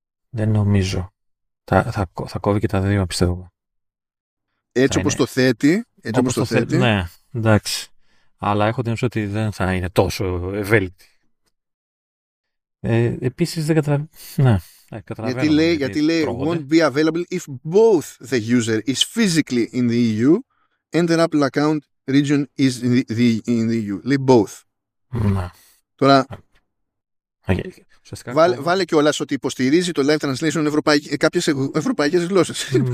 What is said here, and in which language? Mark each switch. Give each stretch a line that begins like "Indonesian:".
Greek: Δεν νομίζω. Θα κόβει και τα δύο, πιστεύω. Έτσι όπως το θέτει. Έτσι όπως το θέτει. Ναι, εντάξει. Αλλά έχω την αίσθηση ότι δεν θα είναι τόσο ευέλικτη. Επίσης δεν καταλαβαίνω. Ναι, καταλαβαίνω. Γιατί λέει,
English: won't be available if both the user is physically in the EU and their Apple account region is in the EU.
Greek: Λέει both. Ναι. Τώρα... Okay. Βάλε και όλα ότι υποστηρίζει το live translation κάποιες ευρωπαϊκές γλώσσες.